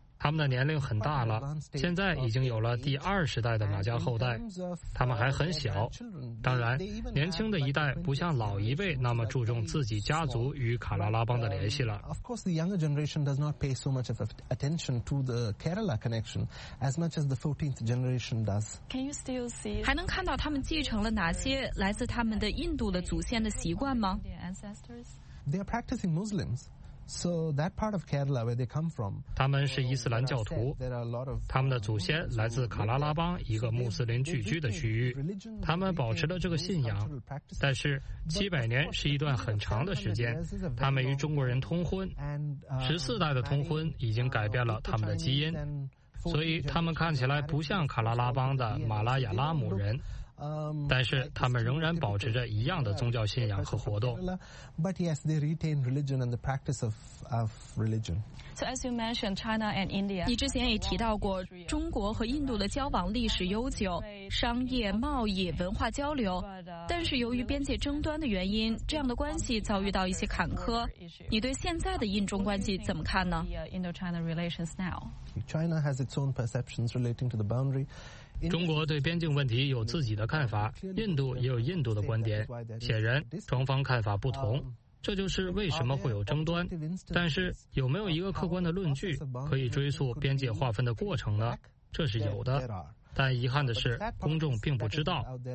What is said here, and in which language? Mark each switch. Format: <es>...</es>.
<zh>他们的年龄很大了，现在已经有了第20代的马家后代，他们还很小。当然，年轻的一代不像老一辈那么注重自己家族与卡拉拉邦的联系了。</zh> <en>Of course, the younger generation does not pay so much of attention to the Kerala connection as much as the 14th generation does. Can you still see?</en> <zh>还能看到他们继承了哪些来自他们的印度的祖先的习惯吗</zh> <en>？They are practicing Muslims. So that part of Kerala where they come from,</en> <zh>他们是伊斯兰教徒，他们的祖先来自卡拉拉邦一个穆斯林聚居的区域，他们保持了这个信仰，但是700年是一段很长的时间，他们与中国人通婚，14代的通婚已经改变了他们的基因，所以他们看起来不像卡拉拉邦的马拉雅拉姆人。但是他们仍然保持着一样的宗教信仰和活动。</zh> <en>But yes, they retain religion and the practice of religion. So as you mentioned, China and India.</en> <zh>你之前也提到过，中国和印度的交往历史悠久，商业、贸易、文化交流。但是由于边界争端的原因，这样的关系遭遇到一些坎坷。你对现在的印中关系怎么看呢</zh> <en>？Indo-China relations now. China has its own perceptions relating to the boundary.</en> <zh>中国对边境问题有自己的看法，印度也有印度的观点，显然双方看法不同，这就是为什么会有争端。但是有没有一个客观的论据可以追溯边界划分的过程呢？这是有的，但遗憾的是公众并不知道。</zh>